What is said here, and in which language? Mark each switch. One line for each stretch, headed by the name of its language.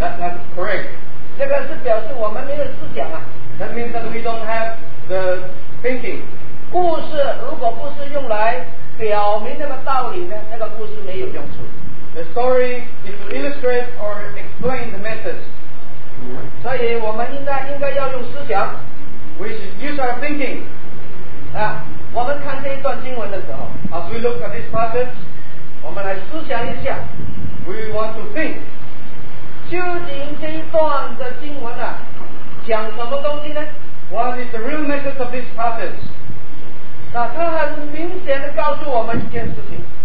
Chinese: 大家就不,
English: everyone will laugh,
Chinese: 那这个就不对了,
English: that's not correct,
Chinese: 这个是表示我们没有思想啊,
English: that means that we don't have the thinking.
Chinese: 故事如果不是用来表明那个道理呢, 那个故事没有用处。
English: The story is to illustrate or explain the message.
Chinese: 所以我们应该要用思想。
English: We should use our thinking.
Chinese: 啊, 我们看这一段经文的时候,
English: as we look at this passage,
Chinese: 我们来思想一下。
English: We want to think.
Chinese: 究竟这一段的经文啊, 讲什么东西呢?
English: What is the real message of this passage?
Chinese: 那它很明显地告诉我们一件事情,